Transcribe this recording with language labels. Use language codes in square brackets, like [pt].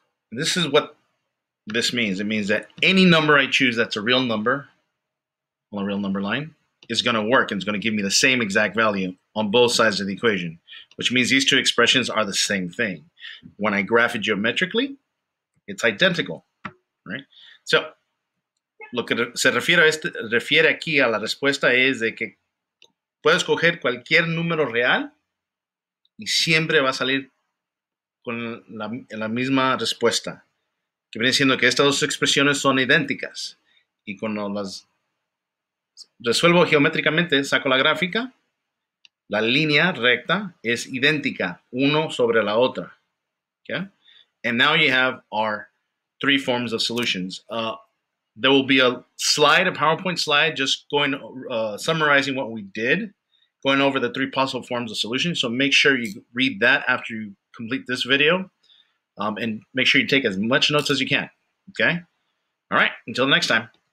[en] This is what this means. It means that any number I choose that's a real number on a real number line is going to work and it's going to give me the same exact value on both sides of the equation, which means these two expressions are the same thing. When I graph it geometrically, it's identical, right? [es] So, lo que se refiere a este, refiere aquí a la respuesta es de que puedes coger cualquier número real y siempre va a salir con la misma respuesta. Que viene siendo que estas dos expresiones son idénticas. Y cuando las resuelvo geométricamente, saco la gráfica, la línea recta es idéntica, uno sobre la otra. [en] Okay? And now you have our three forms of solutions. There will be a slide, a PowerPoint slide, just going summarizing what we did, going over the three possible forms of solutions. So make sure you read that after you complete this video, and make sure you take as much notes as you can, okay? All right, until next time.